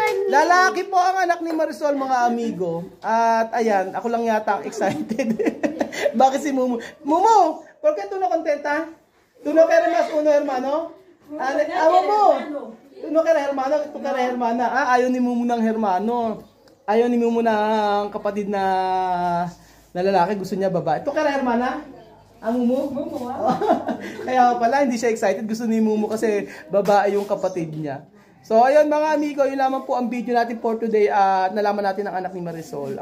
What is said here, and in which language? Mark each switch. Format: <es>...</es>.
<tl>Lalaki po ang anak ni Marisol, mga amigo. At ayan, ako lang yata excited. Bakit si Mumu?</tl> <es>Mumu, por qué tú no contenta? Tú no quieres más uno, hermano? Mumu, tú no quieres hermano, tú quieres hermana.</es> <tl>Ah, ayaw ni Mumu ng hermano. Ayaw ni Mumu ng kapatid na lalaki, gusto niya babae. Ito kaya, hermana? Ang Mumu? Mumu, ah. Kaya pala, hindi siya excited. Gusto ni Mumu kasi babae yung kapatid niya. So, ayun mga amigo, yun lamang po ang video natin</tl> <en>for today.</en> <tl>At nalaman natin ang anak ni Marisol.</tl>